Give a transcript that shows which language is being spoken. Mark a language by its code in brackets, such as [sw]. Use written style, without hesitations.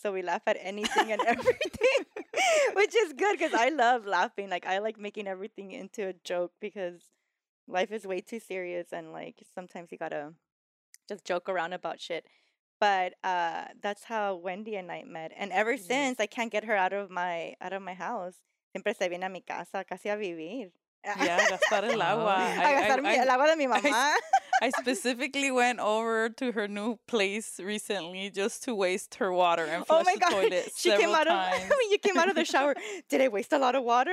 [en] So we laugh at anything and everything, which is good because I love laughing. Like I like making everything into a joke because life is way too serious. And like sometimes you got to just joke around about shit. But that's how Wendy and I met. And ever since, I can't get her out of my house. [es] Siempre se viene a mi casa, casi a vivir. Yeah, gastar el agua. El agua de mi mamá. [en] I specifically went over to her new place recently just to waste her water and flush the toilet several times. Oh my God, you came out of the shower. Did I waste a lot of water?